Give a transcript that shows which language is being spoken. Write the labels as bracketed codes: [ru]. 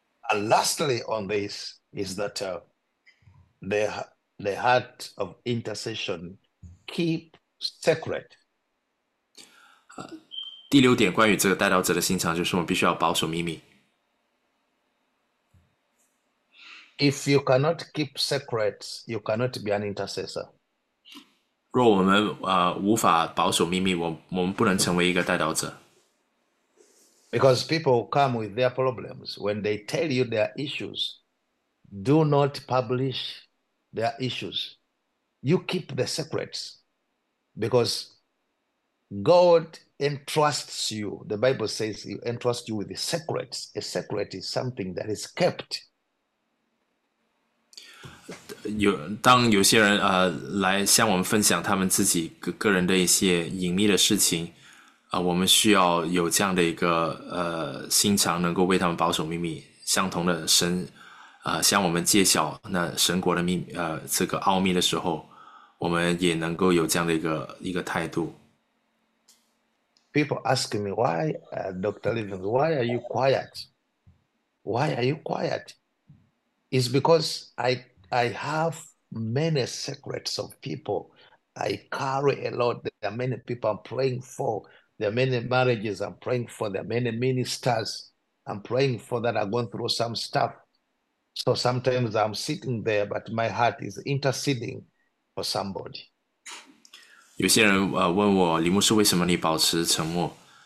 [en] And lastly, on this is that the heart of intercession keep secret. [zh] 第六点关于这个代祷者的心肠，就是我们必须要保守秘密。 [en] If you cannot keep secrets, you cannot be an intercessor. [zh] 若我们无法保守秘密，我们不能成为一个代祷者。 [en] Because people come with their problems. When they tell you their issues, do not publish their issues. You keep the secrets because God entrusts you. The Bible says he entrusts you with the secrets. A secret is something that is kept. [zh] 当有些人来向我们分享他们自己个人的一些隐秘的事情，我们需要有这样的一个心肠，能够为他们保守秘密。相同的神，向我们揭晓那神国的秘密，这个奥秘的时候，我们也能够有这样的一个态度。 [en] People ask me why, Dr. Livings, why are you quiet? Why are you quiet? It's because I have many secrets of people. I carry a lot. There are many people I'm praying for. There are many marriages I'm praying for. There are many ministers I'm praying for that are going through some stuff. So sometimes I'm sitting there, but my heart is interceding for somebody. [zh] 有些人问我，李牧师，为什么你保持沉默？